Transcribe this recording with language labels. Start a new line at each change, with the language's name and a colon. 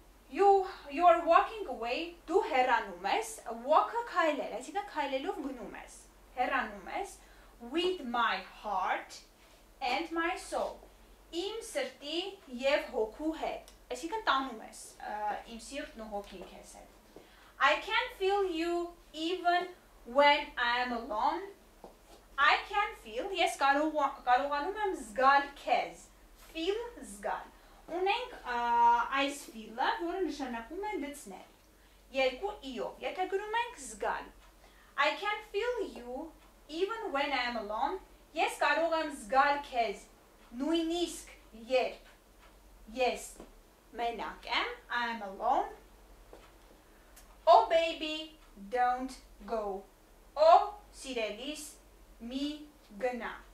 English: You are walking away,
Armenian: դու հեռանում ես, walk-ը քայլել, այսինքն քայլելով գնում ես, հեռանում ես,
English: with my heart and my soul,
Armenian: իմ սրտի և հոգու հետ, Այսինքն տանում ես իմ սիրտն ու հոգին քեզ հետ.
English: I can feel you even when I am alone. I can feel,
Armenian: ես կարողանում եմ զգալ քեզ. Feel, զգալ. Ունենք այս feel-ը, որը նշանակում է լցնել. Երկու i-ով, եթե գրում ենք զգալ.
English: I can feel you even when I am alone.
Armenian: Ես կարող եմ զգալ քեզ, նույնիսկ երբ ես մենակ եմ,
English: I am alone. Oh baby, don't go. Oh,
Armenian: սիրելիս, մի գնա.